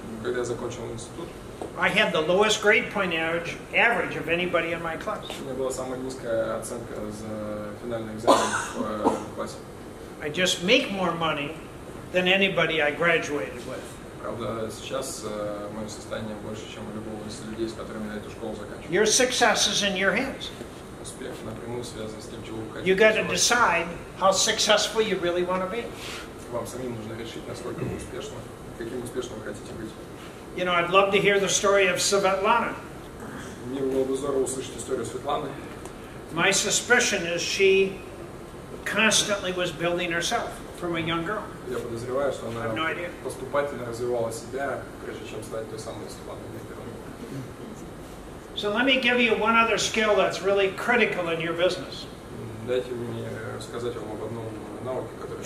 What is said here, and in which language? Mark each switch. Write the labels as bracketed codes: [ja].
[ru] когда я закончил институт, [en] I had the lowest grade point average of anybody in my class. [ru] У меня была самая низкая оценка за финальный экзамен в классе. [en] I just make more money than anybody I graduated with. [ru] Правда, сейчас мое состояние больше, чем у любого из людей, с которыми я эту школу заканчивал. [en] Your success is in your hands. [ru] Успех напрямую связан с тем, чего вы хотите. [en] You got to decide how successful you really want to be. [ru] Вам самим нужно решить, насколько вы успешны, каким успешным вы хотите быть. [en] You know, I'd love to hear the story of Svetlana. [ru] Мне было бы здорово услышать историю Светланы. [en] My suspicion is she constantly was building herself from a young girl. [ru] Я подозреваю, что она поступательно развивала себя, прежде чем стать той самой Светланой. [en] So let me give you one other skill that's really critical in your business. [ru] Дайте мне рассказать вам об одном навыке, который...